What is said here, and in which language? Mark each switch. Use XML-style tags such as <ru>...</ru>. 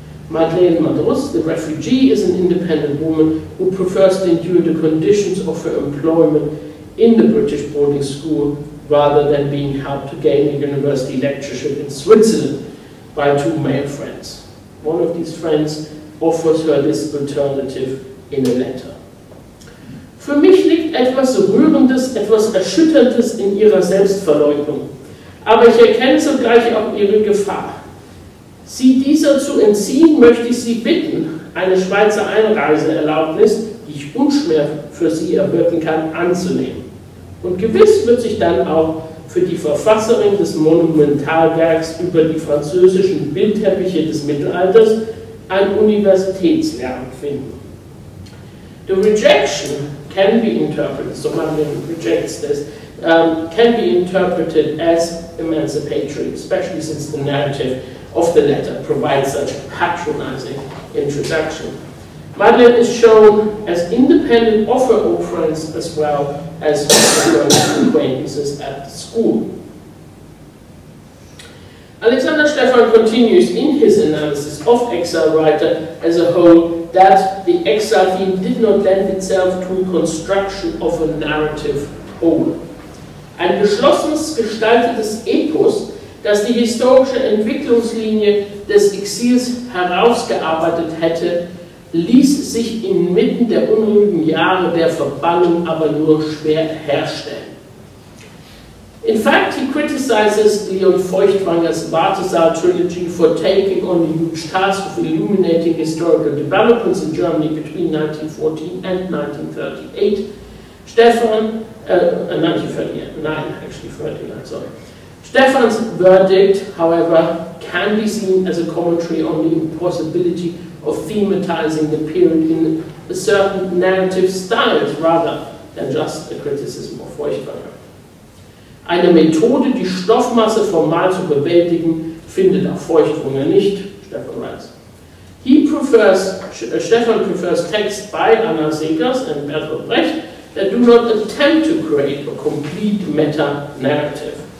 <en>Madeleine Madrus, the refugee, is an independent woman who prefers to endure the conditions of her employment in the British boarding school rather than being helped to gain a university lectureship in Switzerland by two male friends. One of these friends offers her this alternative in a letter.</en> <de>Für mich liegt etwas Rührendes, etwas Erschütterndes in ihrer Selbstverleugnung. Aber ich erkenne zugleich auch ihre Gefahr. Sie dieser zu entziehen, möchte ich Sie bitten, eine Schweizer Einreiseerlaubnis, die ich unschwer für Sie erwirken kann, anzunehmen. Und gewiss wird sich dann auch für die Verfasserin des Monumentalwerks über die französischen Bildteppiche des Mittelalters ein Universitätslehramt finden.</de> <en>The rejection can be interpreted, so Madeleine rejects this, can be interpreted as emancipatory, especially since the narrative of the letter provides such a patronizing introduction. Madeleine is shown as independent of her old friends as well as her acquaintances at the school. Stefan continues in his analysis of exile writer as a whole that the exile theme did not lend itself to construction of a narrative whole.</en> <de>Ein geschlossenes, gestaltetes Epos, das die historische Entwicklungslinie des Exils herausgearbeitet hätte, ließ sich inmitten der unruhigen Jahre der Verbannung aber nur schwer herstellen.</de> <en>In fact, he criticizes Leon Feuchtwanger's Balthasar trilogy for taking on the huge task of illuminating historical developments in Germany between 1914 and 1939. Stefan's verdict, however, can be seen as a commentary on the impossibility of thematizing the period in a certain narrative style rather than just a criticism of Feuchtwanger.</en> <de>Eine Methode, die Stoffmasse formal zu bewältigen, findet auch Feuchtwanger nicht,</de> <en>Stefan writes.</en> <de>Stefan prefers texts by Anna Segers and Bertolt Brecht that do not attempt to create a complete meta-narrative.</de>